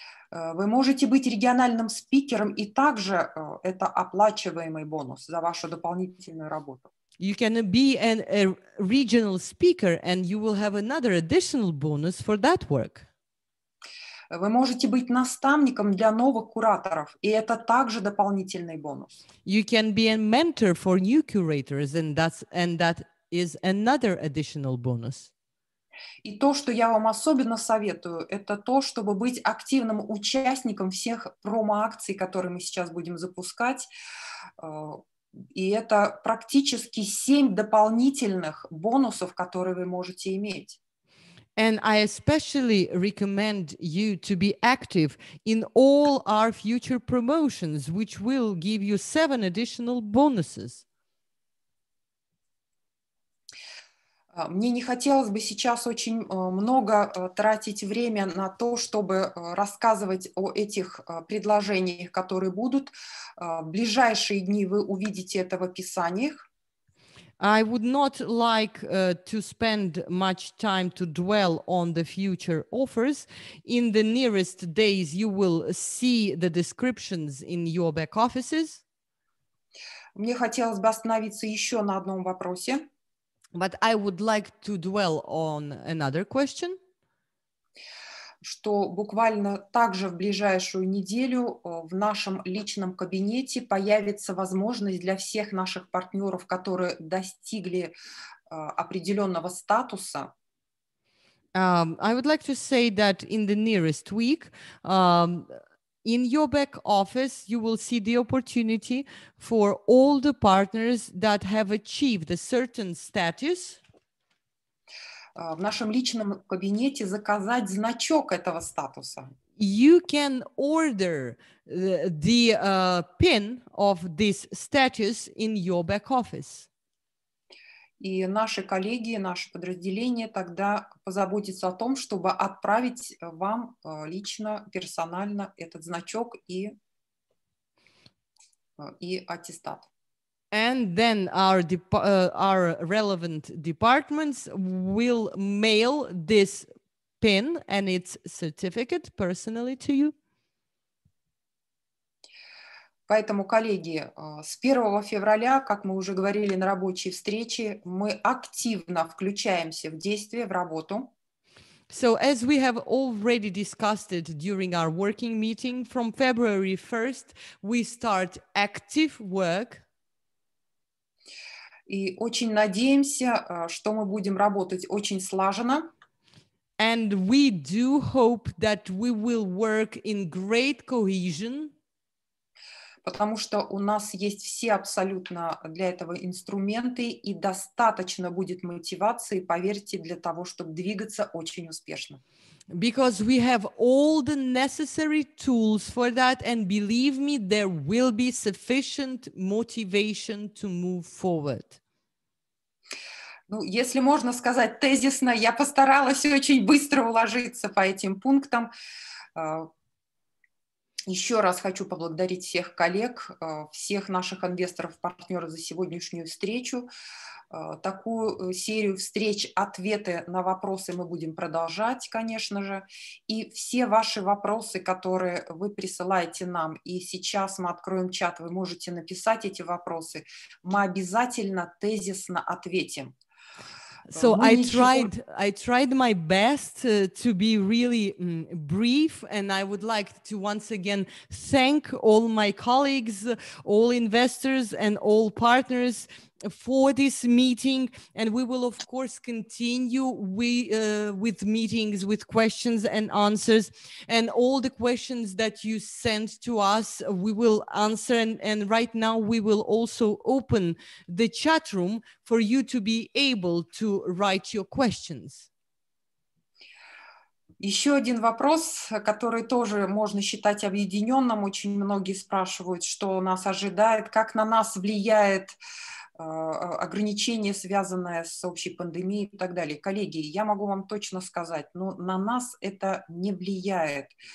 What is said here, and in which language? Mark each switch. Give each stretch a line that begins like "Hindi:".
Russian: Вы можете быть региональным спикером и также это оплачиваемый бонус за вашу дополнительную работу.
English: You can be a regional speaker and you will have another additional bonus for that work.
Russian: Вы можете быть наставником для новых кураторов, и это также дополнительный бонус.
English: You can be a mentor for new curators and that is another additional bonus.
Russian: И то, что я вам особенно советую, это то, чтобы быть активным участником всех промо-акций, которые мы сейчас будем запускать. И это практически 7 дополнительных бонусов, которые вы можете иметь.
English: And I especially recommend you to be active in all our future promotions, which will give you 7 additional bonuses.
Russian: Мне не хотелось бы сейчас очень много тратить время на то, чтобы рассказывать о этих предложениях, которые будут. В ближайшие дни вы увидите это в описаниях.
English: I would not like to spend much time to dwell on the future offers. In the nearest days you will see the descriptions in your back offices.
Russian: Мне хотелось бы остановиться еще на одном вопросе.
English: But I would like to dwell on another question.
Russian: что буквально также в ближайшую неделю в нашем личном кабинете появится возможность для всех наших партнеров, которые достигли определенного статуса.
English: I would like to say that in the nearest week, in your back office, you will see the opportunity for all the partners that have achieved a certain status.
Russian: В нашем личном кабинете заказать значок этого статуса.
English: You can order the pin of this status in your back office.
Russian: И наши коллеги, наше подразделение тогда позаботится о том, чтобы отправить вам лично, персонально этот значок и аттестат.
English: And then our relevant departments will mail this pin and its certificate personally to you.
Russian: Поэтому, коллеги, с 1 февраля, как мы уже говорили на рабочей встрече, мы активно включаемся в действие, в работу.
English: So as we have already discussed it during our working meeting, from February 1st we start active work.
Russian: И очень надеемся, что мы будем работать очень слаженно.
English: And we do hope that we will work in great cohesion.
Russian: Потому что у нас есть все абсолютно для этого инструменты и достаточно будет мотивации, поверьте, для того, чтобы двигаться очень успешно.
English: Because we have all the necessary tools for that, and believe me, there will be sufficient motivation to move forward.
Russian: Ну, если можно сказать тезисно, я постаралась очень быстро уложиться по этим пунктам. Еще раз хочу поблагодарить всех коллег, всех наших инвесторов-партнеров за сегодняшнюю встречу. Такую серию встреч, ответы на вопросы мы будем продолжать, конечно же. И все ваши вопросы, которые вы присылаете нам, и сейчас мы откроем чат, вы можете написать эти вопросы, мы обязательно тезисно ответим.
English: So I tried my best to be really brief, and I would like to once again thank all my colleagues, all investors and all partners for this meeting, and we will of course continue with meetings, with questions and answers, and all the questions that you send to us we will answer, and right now we will also open the chat room for you to be able to write your questions.
Russian: Еще один вопрос, который тоже можно считать объединенным, очень многие спрашивают, что нас ожидает, как на нас влияет ограничения, связанные с общей пандемией и так далее. Коллеги, я могу вам точно сказать, но на нас это не влияет.